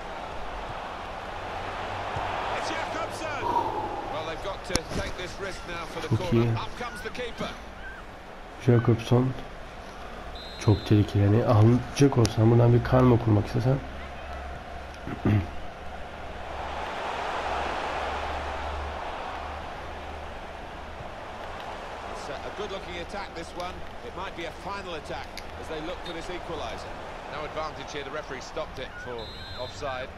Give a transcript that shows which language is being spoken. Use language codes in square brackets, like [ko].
[en] Now. It's Jakobsen. Well, they've got to take this risk now for the corner. Up comes the keeper. [tr] Jakobsen. Çok tehlikeli. Yani alacak olsan buradan bir karma kurmak istesen. [en] It's a good looking attack this one. It might be a final attack as they look for this equalizer. No advantage here, the referee stopped it for offside.